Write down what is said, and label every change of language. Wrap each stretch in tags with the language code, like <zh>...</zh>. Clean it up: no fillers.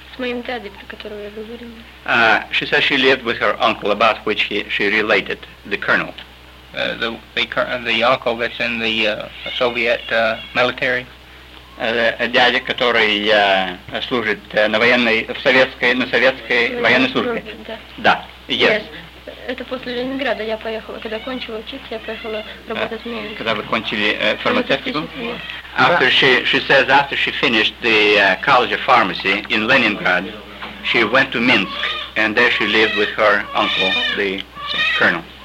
<ru>Моим дядей, про которого я говорила.</ru> <en>She says she lived with her uncle, about which she related the colonel. The uncle that's in the Soviet military.</en> <ru>Дядя, который служит на советской военной службе. Да.</ru> <en>Yes.</en> <ru>Это после Ленинграда я поехала. Когда кончила учиться, я поехала работать в Минске. Когда вы кончили фармацевтику?</ru> <en>After she says after she finished the College of Pharmacy in Leningrad, she went to Minsk, and there she lived with her uncle, the colonel.</en>